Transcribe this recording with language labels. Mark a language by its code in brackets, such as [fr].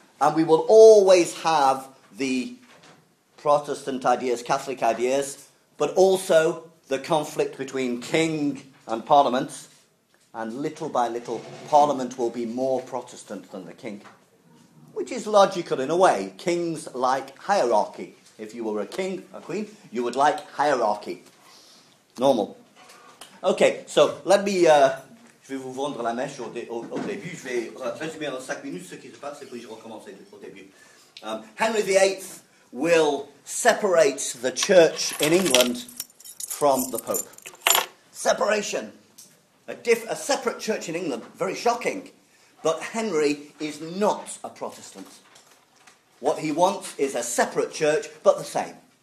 [en] And we will always have the Protestant ideas, Catholic ideas, but also the conflict between king and parliament. And little by little, parliament will be more Protestant than the king, which is logical in a way. Kings like hierarchy. If you were a king, a queen, you would like hierarchy. Normal. Okay, so let me... [fr] Je vais vous vendre la mèche au début. Je vais résumer en 5 minutes ce qui se passe et puis je recommence au début. [en] Henry VIII will separate the church in England from the Pope. Separation. A separate church in England. Very shocking. But Henry is not a Protestant. What he wants is a separate church, but the same.